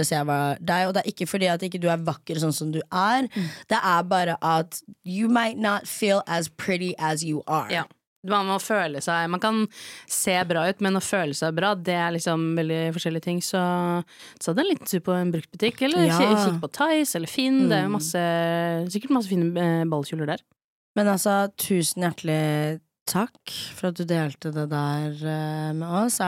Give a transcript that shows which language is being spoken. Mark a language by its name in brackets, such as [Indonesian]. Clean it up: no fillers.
[Norwegian] Hvis jeg var deg, og det er ikke fordi at ikke du er vakker sånn som du er. Det er bare at [English] you might not feel as pretty as you are. [Norwegian] Man må føle seg, man kan se bra ut, men å føle seg bra, det er liksom veldig forskjellige ting. Så det er litt tur på en bruktbutikk, eller kikk på Thais eller Finn. Det er masse, sikkert masse fine ballkjuler der. Men altså, tusen hjertelig takk for at du delte det der med oss.